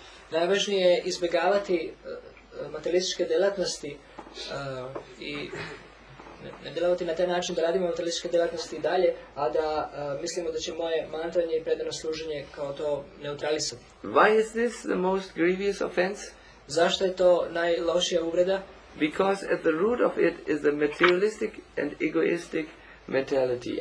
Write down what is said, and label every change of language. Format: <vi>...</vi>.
<sr>Najvažnije je izbjegavati materialističke delatnosti i ne djelovati na taj način da radimo materijalističke djelatnosti i dalje, a da mislimo da će moje mantranje i predano služenje kao to neutralisati.</sr> <en>Why is this the most grievous offense?</en> <sr>Zašto je to najlošija uvreda?</sr> <en>Because at the root of it is the materialistic and egoistic mentality.</en>